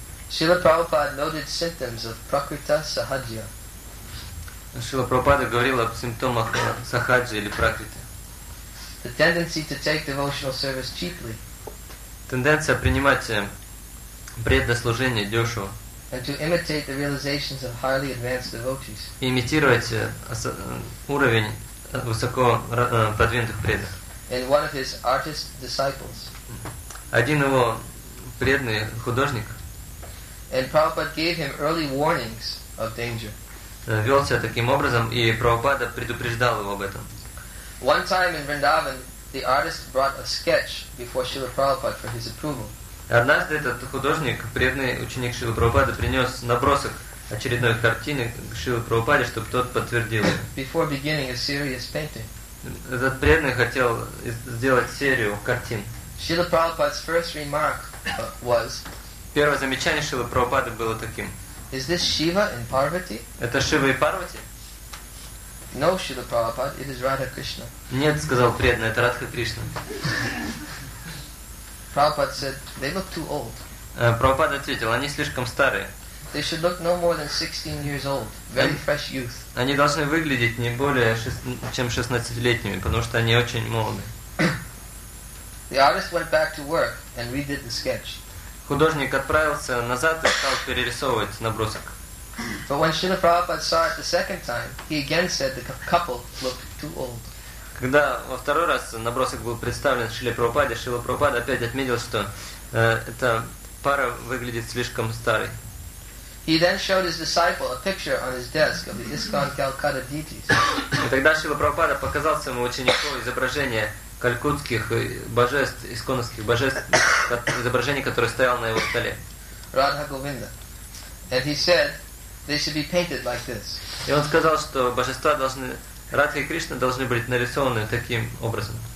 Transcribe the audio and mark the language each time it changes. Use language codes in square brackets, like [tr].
[en] Srila Prabhupada noted symptoms of prakriti sahajya. [ru] Srila Prabhupada говорил о симптомах сахаджи или пракрити. [en] The tendency to take devotional service cheaply. [ru] Тенденция принимать преданное служение дешево. [en] And to imitate the realizations of highly advanced devotees. [ru] И имитировать уровень высоко продвинутых преданных. [en] And one of his artist disciples. [ru] Один его преданный художник. [en] And Prabhupada gave him early warnings of danger. [ru] Вел себя таким образом, и Прабхупада предупреждал его об этом. [en] One time in Vrindavan, the artist brought a sketch before Srila Prabhupada for his approval. [ru] Однажды этот художник, преданный ученик Шрилы Прабхупады, принес набросок очередной картины Шрилы Прабхупаде, чтобы тот подтвердил. [en] Before beginning a serious painting. [ru] Этот преданный хотел сделать серию картин. [en] Srila Prabhupada's first remark was. [ru] Первое замечание Шрилы Прабхупады было таким. [en] Is this Shiva and Parvati? [ru] Это Шива и Парвати? [en] No, Srila Prabhupada, it is Radha Krishna. [ru] Нет, сказал преданный, это Радха Кришна. [en] Prabhupada said, they look too old. [ru] Прабхупада ответил, они слишком старые. [en] They should look no more than 16 years old, very fresh youth. [ru] Они должны выглядеть не более чем 16-летними, потому что они очень молоды. [en] The artist went back to work and redid the sketch. [ru] Художник отправился назад и стал перерисовывать набросок. [en] But when Srila Prabhupada saw it the second time, he again said the couple looked too old. [ru] Когда во второй раз набросок был представлен Шриле Прабхупаде, Шрила Прабхупада опять отметил, что эта пара выглядит слишком старой. [en] He then showed his disciple a picture on his desk of the ISKCON Calcutta deities. [ru] И тогда Шрила Прабхупада показал своему ученику изображение калькутских божеств, исконских божеств, изображение, которое стояло на его столе. [en] Radha Govinda. And he said they should be painted like this. [ru] И он сказал, что божества должны, Радха и Кришна должны быть нарисованы таким образом.